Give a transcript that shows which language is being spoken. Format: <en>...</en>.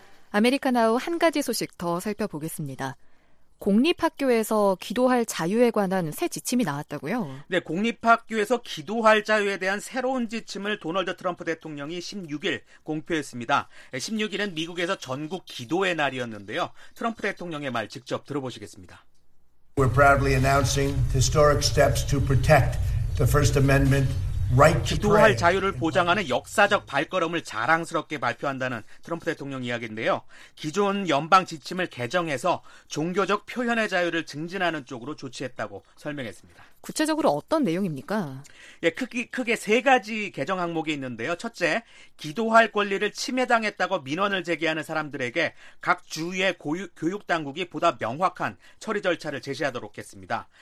<ko>아메리카나우 한 가지 소식 더 살펴보겠습니다. 공립학교에서 기도할 자유에 관한 새 지침이 나왔다고요? 네, 공립학교에서 기도할 자유에 대한 새로운 지침을 도널드 트럼프 대통령이 16일 공표했습니다. 16일은 미국에서 전국 기도의 날이었는데요. 트럼프 대통령의 말 직접 들어보시겠습니다.</ko> <en>We're proudly announcing historic steps to protect the First Amendment</en> <ko>기도할 자유를 보장하는 역사적 발걸음을 자랑스럽게 발표한다는 트럼프 대통령 이야기인데요. 기존 연방 지침을 개정해서 종교적 표현의 자유를 증진하는 쪽으로 조치했다고 설명했습니다. 구체적으로 어떤 내용입니까? 예, 크게 세 가지 개정 항목이 있는데요. 첫째, 기도할 권리를 침해당했다고 민원을 제기하는 사람들에게 각 주의 교육당국이 보다 명확한 처리 절차를 제시하도록 했습니다.</ko>